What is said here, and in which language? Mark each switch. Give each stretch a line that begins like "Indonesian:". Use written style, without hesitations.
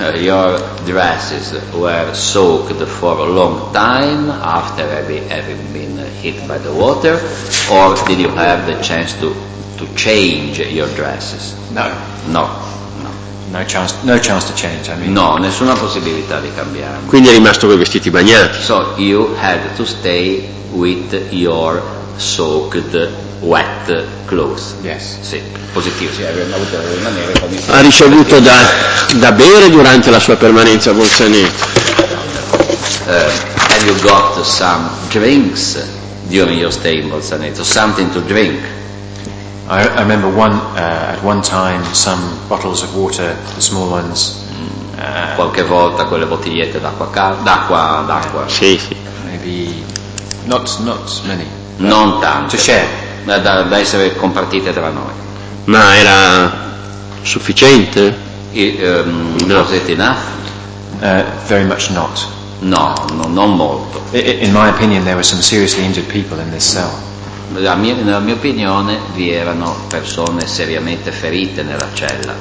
English: Your dresses were soaked for a long time after having been hit by the water, or did you have the chance to change your dresses? No chance to change, I mean.
Italian: No, nessuna possibilità di cambiare. Quindi è rimasto con i vestiti bagnati.
English: So you had to stay with your soaked wet clothes. Yes.
Italian: Sì, positivo. Sì, avrebbe dovuto rimanere con i. Ha ricevuto da bere durante la sua permanenza a Bolzaneto.
English: Have you got some drinks during your stay in Bolzaneto? Something to drink? I remember at one time some bottles of water, the small ones.
Italian: Qualche volta quelle bottigliette d'acqua. Sì.
English: Maybe not many.
Italian: Non tante.
English: To share.
Italian: Da essere compartite tra noi. Ma era sufficiente?
English: No. Was it enough? Very much not.
Italian: No, no, non molto.
English: In my opinion, there were some seriously injured people in this cell.
Italian: Nella mia opinione vi erano persone seriamente ferite nella cella.